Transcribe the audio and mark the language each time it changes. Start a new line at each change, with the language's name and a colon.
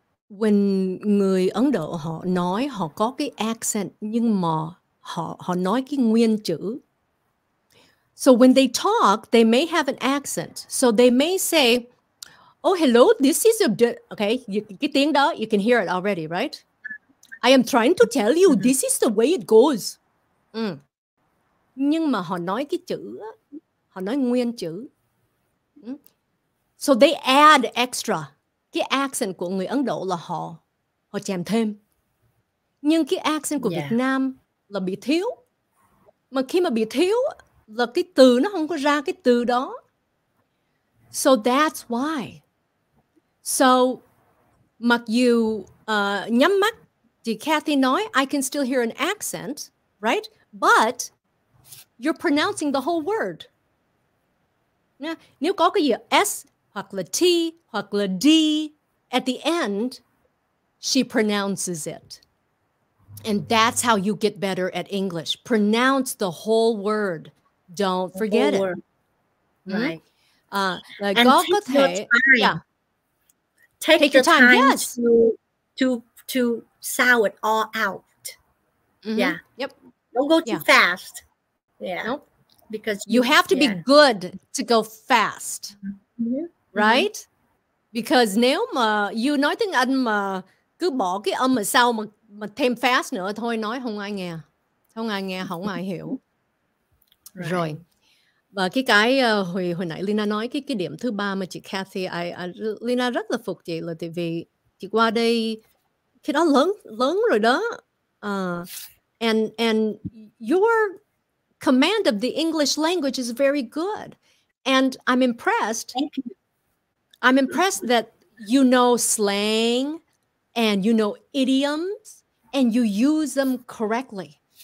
Vietnamese: When người Ấn Độ họ nói họ có cái accent nhưng mà họ nói cái nguyên chữ.
English: So when they talk, they may have an accent. So they may say, oh, hello, this is a... Okay,
Vietnamese: cái tiếng đó,
English: you can hear it already, right? I am trying to tell you, this is the way it goes.
Vietnamese: Nhưng mà họ nói cái chữ, họ nói nguyên chữ.
English: So they add extra.
Vietnamese: Cái accent của người Ấn Độ là họ chèm thêm. Nhưng cái accent của Việt Nam là bị thiếu. Mà khi mà bị thiếu là cái từ nó không có ra cái từ đó.
English: So that's why. So
Vietnamese: mặc dù nhắm mắt, chị Kathy nói,
English: I can still hear an accent, right? But you're pronouncing the whole word.
Vietnamese: Nếu có cái gì S hoặc là T hoặc là D
English: at the end,
Vietnamese: she pronounces it.
English: And that's how you get better at English. Pronounce the whole word. Don't forget it. Right. And take your time. Yeah. Take your time. Yes. To sow it all out. Mm-hmm. Yeah. Yep. Don't go too fast. Yeah. Nope. Because you have to be good to go fast. Mm-hmm. Right? Mm-hmm.
Vietnamese: Because nếu mà you nói tiếng Anh mà cứ bỏ cái âm mà sau mà thêm fast nữa thôi nói không ai nghe. Không ai nghe, không ai hiểu. Right. Rồi. Và cái hồi nãy Lina nói cái điểm thứ ba mà chị Kathy, Lina rất là phục chị là tại vì chị qua đây khi đó lớn rồi đó.
English: And your command of the English language is very good. And I'm impressed. I'm impressed that you know slang and you know idioms and you use them correctly.